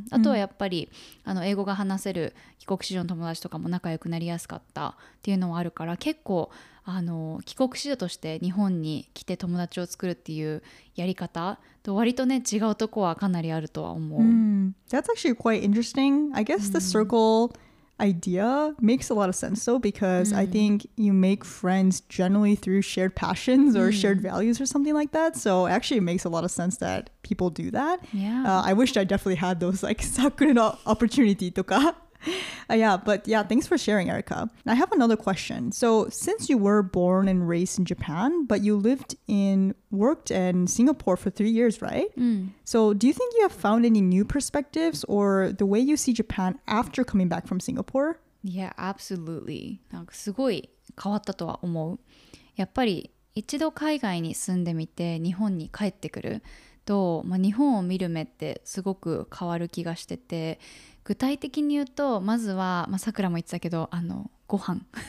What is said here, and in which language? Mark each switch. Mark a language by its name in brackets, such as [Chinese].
[Japanese] あとはやっぱり、あの英語が話せる帰国子女の友達とかも仲良くなりやすかったっていうのはあるから、結構あの帰国子女として日本に来て友達を作るっていうやり方と割とね違うとこはかなりあるとは思う。 [English] That's actually quite interesting. I guess the circle idea makes a lot of sense though, because I think you make friends generally through shared passions or shared values or something like that. So actually it makes a lot of sense that people do that. Yeah. I wish I definitely had those like sakura no opportunity とか。 But thanks for sharing, Erica. I have another question. So since you were born and raised in Japan, but you lived in, worked in Singapore for 3 years, right? So do you think you have found any new perspectives or the way you see Japan after coming back from Singapore? Yeah, absolutely. [Japanese] なんかすごい変わったとは思う。やっぱり一度海外に住んでみて日本に帰ってくると、まあ、日本を見る目ってすごく変わる気がしてて、具体的に言うと、まずは、まあ、さくらも言ってたけど、あのご飯